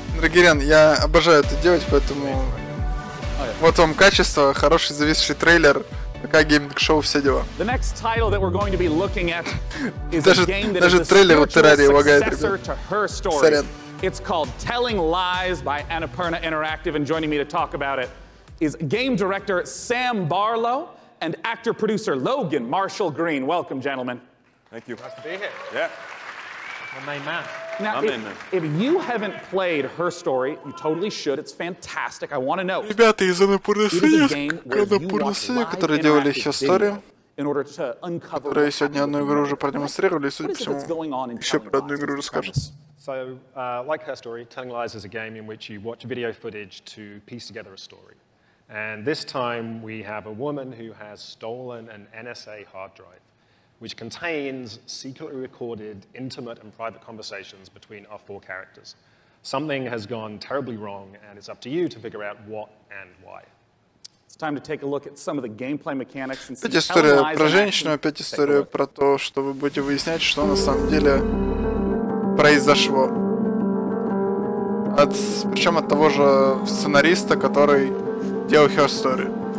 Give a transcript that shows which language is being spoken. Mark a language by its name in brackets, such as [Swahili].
[Russian] Гирен, я обожаю это делать, поэтому вот вам качество, хороший зависший трейлер, пока гейминг-шоу, все дела. Даже трейлер у Террарии лагает, ребят. Сорян. [English] It's called Telling Lies by Annapurna Interactive, and joining me to talk about it is game director Sam Barlow and actor-producer Logan Marshall Green. Welcome, gentlemen. Thank you. Nice to be here. Yeah. Now, if you haven't played Her Story, you totally should. It's fantastic. I want to know. [Russian] Ребята из Annapurna Studios, Annapurna Studios, которые делали Her Story, которые сегодня одну игру уже продемонстрировали, и, судя по всему, еще про одну игру расскажут. [English] So, like Her Story, Telling Lies is a game in which you watch video footage to piece together a story. And this time we have a woman who has stolen an NSA hard drive. which contains secretly recorded intimate and private conversations between our four characters. Something has gone terribly wrong, and it's up to you to figure out what and why. It's time to take a look at some of the gameplay mechanics and [Russian] опять история про женщину, опять история про то, что вы будете выяснять, что на самом деле произошло. От, причем от того же сценариста, который делал Her Story.